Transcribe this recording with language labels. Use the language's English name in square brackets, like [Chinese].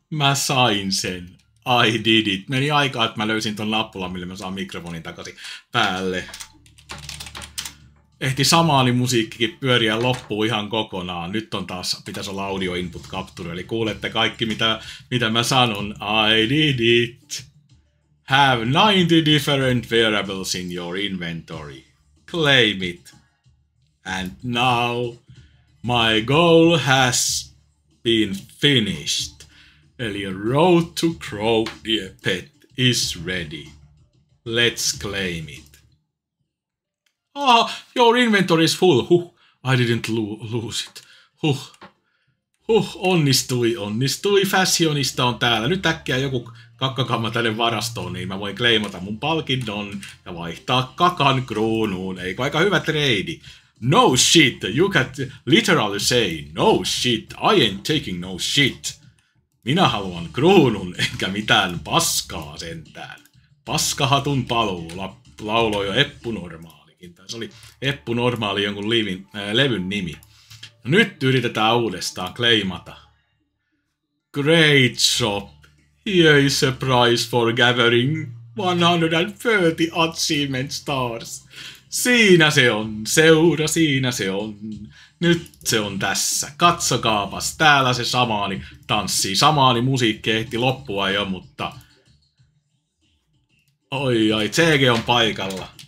[Finnish] Mä sain sen. [English] I did it. [Finnish] Meni aikaa, että mä löysin ton nappulan, millä mä saan mikrofonin takaisin päälle. Ehti samaalimusiikkikin pyöriä loppuun ihan kokonaan. Nyt on taas, pitäisi olla audio input capture, eli kuulette kaikki, mitä mä sanon. [English] I did it. Have 90 different variables in your inventory. Claim it. And now, my goal has been finished. Eli road to crow, dear pet, is ready. Let's claim it. Ah, your inventory is full. Huh, I didn't lose it. Huh. Huh, [Finnish] onnistui. Fashionista on täällä. Nyt äkkiä joku kakkakamma tänne varastoon, niin mä voin kleimata mun palkinnon ja vaihtaa kakan kruunuun. Eikö aika hyvä treidi? [English] No shit, you can literally say no shit, I ain't taking no shit. [Finnish] Minä haluan kruunun, enkä mitään paskaa sentään. Paskahatun paluu, lauloi jo Eppu Normaalikin. Tai se oli Eppu Normaali jonkun levyn nimi. No nyt yritetään uudestaan kleimata. [English] Great shop. Here is a prize for gathering 130 achievement stars. [Finnish] Siinä se on, seura, siinä se on. Nyt se on tässä. Katsokaapas, täällä se samaani tanssii. Samaani musiikki ehti loppua jo, mutta... Oi, oi, CG on paikalla.